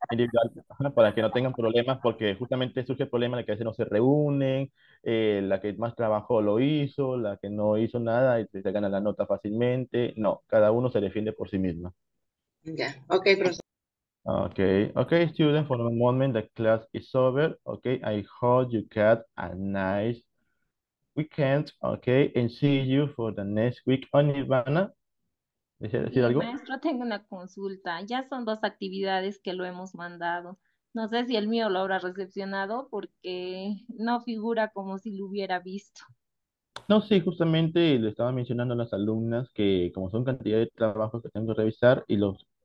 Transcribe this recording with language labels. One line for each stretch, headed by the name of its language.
Spanish: Individual, para que no tengan problemas, porque justamente surge el problema de que a veces no se reúnen, la que más trabajó lo hizo, la que no hizo nada y se gana la nota fácilmente. No, cada uno se defiende por sí misma. Ya, okay, profesor.
English: Okay, student, for a moment, the class is over. Okay, I hope you had a nice weekend. Okay, and see you for the next week.
Spanish: On Ivana, ¿desea decir algo? Maestro, tengo una consulta. Ya son dos actividades que lo hemos mandado. No sé si el mío lo habrá recepcionado porque no figura como si lo hubiera visto. No, sí, justamente le estaba mencionando a las alumnas que como son cantidad de trabajos que tengo que revisar y los...